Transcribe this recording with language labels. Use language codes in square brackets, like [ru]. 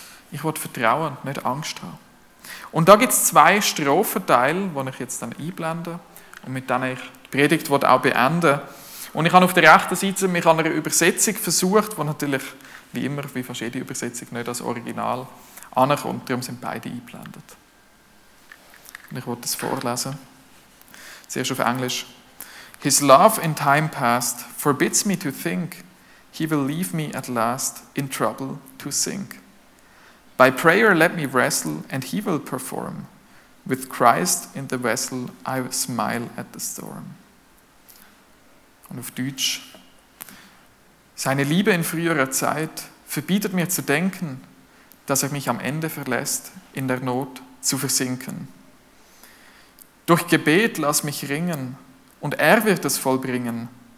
[de] Ich will vertrauen, nicht Angst haben. Und da gibt es zwei Strophenteile, die ich jetzt dann einblende und mit denen ich die Predigt auch beenden will. Und ich habe auf der rechten Seite mich an einer Übersetzung versucht, wo natürlich, wie immer, wie fast jede Übersetzung, nicht das Original ankommt. Darum sind beide eingeblendet. Und ich will das vorlesen. Zuerst auf Englisch. [en] His love in time past forbids me to think he will leave me at last in trouble to sink. By prayer let me wrestle and he will perform. With Christ in the vessel I smile at the storm. [de] Und auf Deutsch. Seine Liebe in früherer Zeit verbietet mir zu denken, dass er mich am Ende verlässt, in der Not zu versinken. Durch Gebet lass mich ringen und er wird es vollbringen.